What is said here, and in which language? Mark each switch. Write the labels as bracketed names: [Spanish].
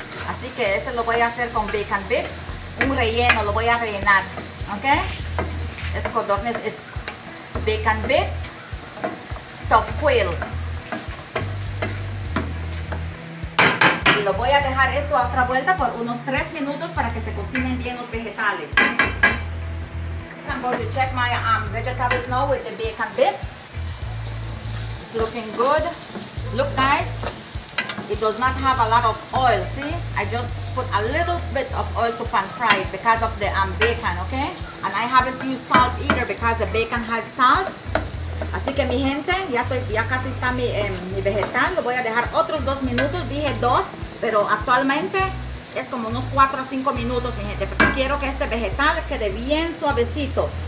[Spanish] Así que ese lo voy a hacer con bacon bits, un relleno, lo voy a rellenar, ¿ok? Es codornis, es bacon bits, stuffed quails. Y lo voy a dejar esto a otra vuelta por unos 3 minutos para que se cocinen bien los vegetales. [English] I'm going to check my vegetables now with the bacon bits. It's looking good. Look, guys, it does not have a lot of oil. See, I just put a little bit of oil to pan fry it because of the bacon, okay? And I haven't used salt either because the bacon has salt. [Spanish] Así que mi gente, ya casi está mi vegetal. Lo voy a dejar otros 2 minutos. Dije 2, pero actualmente es como unos 4 o 5 minutos, mi gente. Porque quiero que este vegetal quede bien suavecito.